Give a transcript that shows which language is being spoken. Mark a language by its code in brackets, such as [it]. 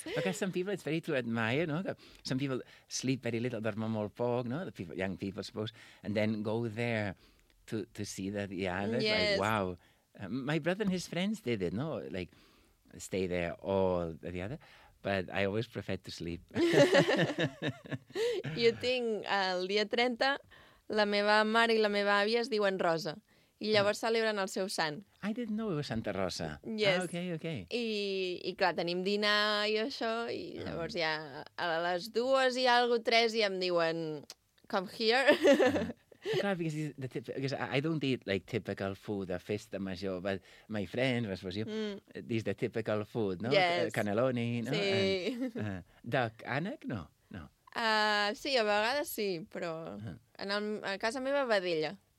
[en] Because some people, it's very to admire, no? Some people sleep very little, [ca] dorm molt poc, [en] no? The people, young people, I suppose, and then go there to see the others. Yes. Like, wow. My brother and his friends did it, no? Like, stay there all the other. But I always prefer to sleep. [ca] Jo tinc el dia 30, la meva mare i la meva àvia es diuen Rosa. I llavors celebren el seu sant. [en] I didn't know it was Santa Rosa. Yes. Ah, okay. [ca] I clar, tenim dinar i això, i llavors ja a les dues i algo, tres, i em diuen, [en] come here. Clar, because I don't eat like typical food a Festa Major, but my friends, I suppose, this is the typical food, no? Yes. Cannelloni, no? [ca] Sí. [en] Duck, ànec, no? No. [ca] Sí, a vegades sí, però en a casa meva, vedella.